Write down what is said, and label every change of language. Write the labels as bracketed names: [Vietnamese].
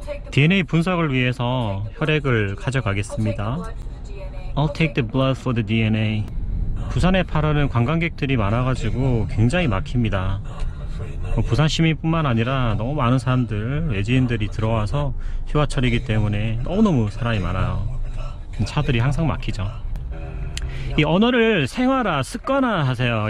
[Korean] DNA 분석을 위해서 혈액을 가져가겠습니다. [English] I'll take the blood for the DNA. [Korean] 부산에 팔하는 관광객들이 많아가지고 굉장히 막힙니다. 부산 시민뿐만 아니라 너무 많은 사람들, 외지인들이 들어와서 휴가철이기 때문에 너무너무 사람이 많아요. 차들이 항상 막히죠. 이 언어를 생활화, 습관화 하세요.